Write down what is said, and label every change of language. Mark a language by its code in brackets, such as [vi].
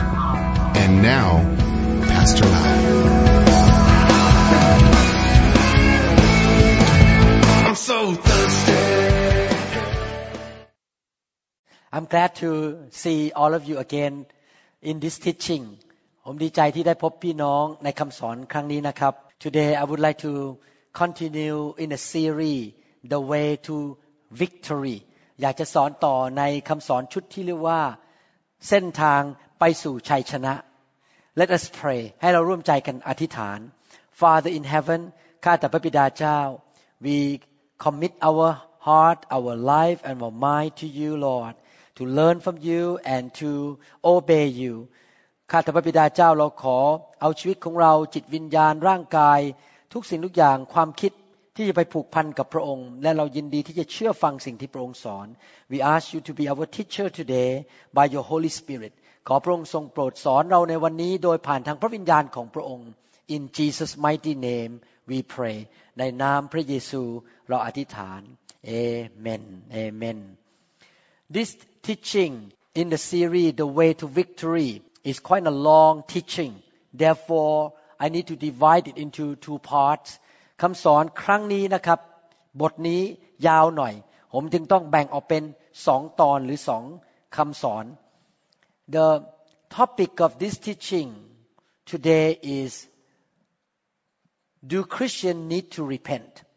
[en] And now, Pastor Lau. I'm so thirsty. I'm glad to see all of you again in this teaching. [th] ผมดีใจที่ได้พบพี่น้องในคำสอนครั้งนี้นะครับ [en] Today I would like to continue in a series The Way to Victory. [th] อยากจะสอนต่อในคำสอนชุดที่เรียกว่าเส้นทางไปสู่ชัยชนะ [en] Let us pray. [th] ให้เราร่วมใจกันอธิษฐาน [en] Father in heaven, [th] ข้าแต่พระบิดาเจ้า [en] We commit our heart, our life and our mind to you, Lord. To learn from you and to obey you. [th] ข้าแต่พระบิดาเจ้าเราขอเอาชีวิตของเราจิตวิญญาณร่างกายทุกสิ่งทุกอย่างความคิดที่จะไปผูกพันกับพระองค์และเรายินดีที่จะเชื่อฟังสิ่งที่พระองค์สอน [en] We ask you to be our teacher today by your Holy Spirit. [th] ขอพระองค์ทรงโปรดสอนเราในวันนี้โดยผ่านทางพระวิญญาณของพระองค์ [en] In Jesus mighty name we pray. [th] ในนามพระเยซูเราอธิษฐาน Amen. [en] Amen. ThisTeaching in the series The Way to Victory is quite a long teaching. Therefore, I need to divide it into two parts. [th] คำสอนครั้งนี้นะครับบทนี้ยาวหน่อยผมจึงต้องแบ่งออกเป็น2ตอนหรือ2คำสอน [en] The topic of this teaching today is Do Christians need to repent?